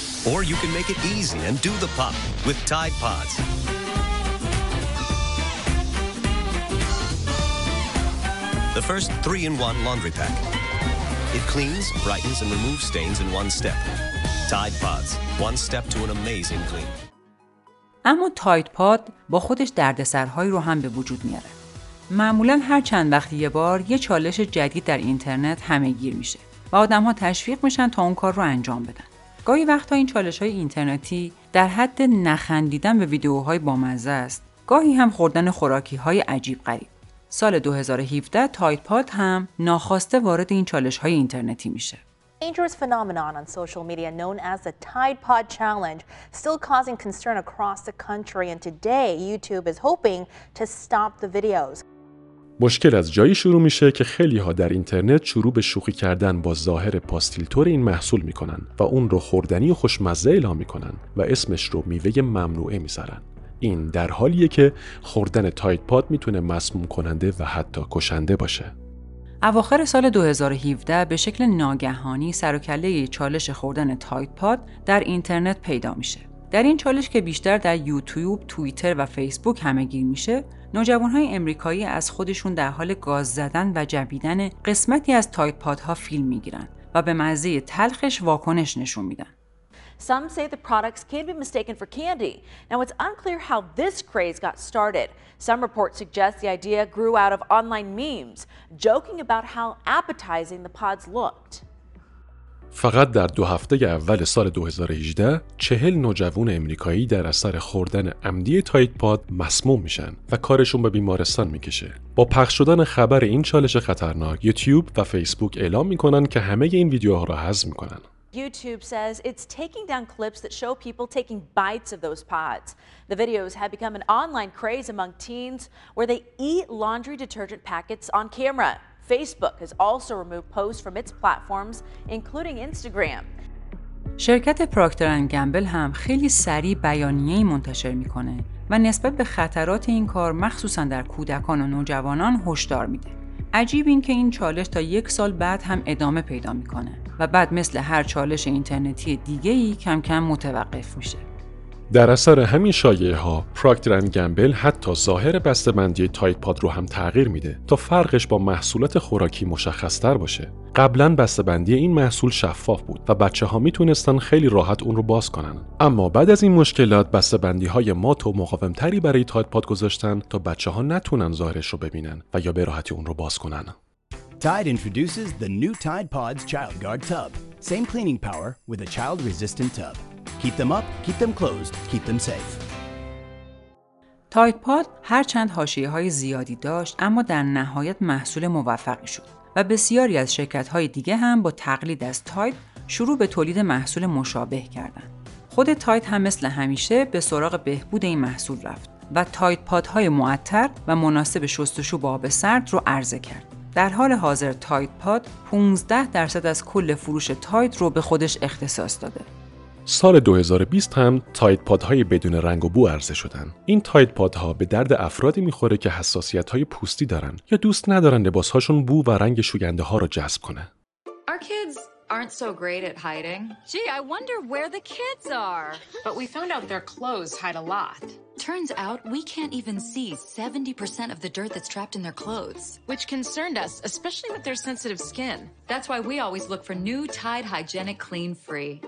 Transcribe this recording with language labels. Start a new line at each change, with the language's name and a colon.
English: Or you can make it easy and do the pop with Tide Pods. The first 3-in-1 laundry pack. It cleans, brightens, and removes stains in one step. Tide Pods. One step to an amazing clean.
Persian: اما تاید پاد با خودش دردسرهایی رو هم به وجود میاره. معمولاً هر چند وقتی یه بار یه چالش جدید در اینترنت همه گیر میشه و آدم ها تشویق میشن تا اون کار رو انجام بدن. گاهی وقتا این چالش های اینترنتی در حد نخندیدن به ویدیوهای بامزه است. گاهی هم خوردن خوراکی های عجیب غریب. سال 2017 تاید پاد هم ناخواسته وارد این چالش های اینترنتی میشه.
English: Dangerous phenomenon on social media known as the Tide Pod Challenge still causing concern across the country and today YouTube is hoping to stop the videos.
Persian: مشکل از جایی شروع میشه که خیلی ها در اینترنت شروع به شوخی کردن با ظاهر پاستیل تور این محصول میکنن و اون رو خوردنی و خوشمزه اعلام میکنن و اسمش رو میوه ممنوعه میذارن. این در حالیه که خوردن تاید پاد میتونه مسموم کننده و حتی کشنده باشه. اواخر سال 2017 به شکل ناگهانی سر و کله چالش خوردن تاید پاد در اینترنت پیدا میشه. در این چالش که بیشتر در یوتیوب، توییتر و فیسبوک همه‌گیر میشه، نوجوان‌های آمریکایی از خودشون در حال گاز زدن و جبیدن قسمتی از تاید پادها فیلم میگیرن و به مزه تلخش واکنش نشون میدن.
English: Some say the products can be mistaken for candy. Now it's unclear how this craze got started. Some reports suggest the idea grew out of online memes joking about how appetizing the pods looked.
Persian: فقط در دو هفته اول سال 2018 40 نوجوان آمریکایی در اثر خوردن عمدی تاید پاد مسموم میشن و کارشون به بیمارستان میکشه. با پخش شدن خبر این چالش خطرناک، یوتیوب و فیسبوک اعلام میکنن که همه این ویدیوها رو حذف میکنن.
English: YouTube says it's taking down clips that show people taking bites of those pods. The videos have become an online craze among teens where they eat laundry detergent packets on camera. Facebook has also removed posts from its platforms, including Instagram.
Persian: شرکت پراکتر اند گمبل هم خیلی سریع بیانیه‌ای منتشر می‌کنه و نسبت به خطرات این کار مخصوصاً در کودکان و نوجوانان هشدار میده. عجیب این که این چالش تا یک سال بعد هم ادامه پیدا می‌کنه و بعد مثل هر چالش اینترنتی دیگه‌ای کم کم متوقف میشه. در اثر همین شایعه‌ها، پراکتر اند گمبل حتی ظاهر بسته‌بندی تاید پاد رو هم تغییر میده تا فرقش با محصولات خوراکی مشخص‌تر باشه. قبلاً بسته‌بندی این محصول شفاف بود و بچه‌ها میتونستن خیلی راحت اون رو باز کنن. اما بعد از این مشکلات، بسته‌بندی‌های مات و مقاوم‌تری برای تاید پاد گذاشتن تا بچه‌ها نتونن ظاهرش رو ببینن و یا به راحتی اون رو باز کنن.
English: Tide introduces the new Tide Pods Child Guard Tub. Same cleaning power with a child-resistant tub. Keep them up, keep them closed, keep them safe.
Persian: تاید پاد هر چند حاشیه های زیادی داشت اما در نهایت محصول موفقی شد و بسیاری از شرکت های دیگه هم با تقلید از تاید شروع به تولید محصول مشابه کردند. خود تاید هم مثل همیشه به سراغ بهبود این محصول رفت و تاید پاد های معطر و مناسب شستشو با آب سرد رو عرضه کرد. در حال حاضر تاید پاد 15% از کل فروش تاید رو به خودش اختصاص داده. سال 2020 هم تاید پادهای بدون رنگ و بو عرضه شدن. این تاید پادها به درد افرادی میخوره که حساسیت‌های پوستی دارن یا دوست ندارن لباس‌هاشون بو و رنگ شوینده‌ها رو جذب کنه.
English: Our kids aren't so great at hiding. Gee, I wonder where the kids are. But we found out their clothes hide a lot. Turns out we can't even see 70% of the dirt that's trapped in their clothes, which concerned us, especially with their sensitive skin. That's why we always look for new Tide Hygienic Clean Free.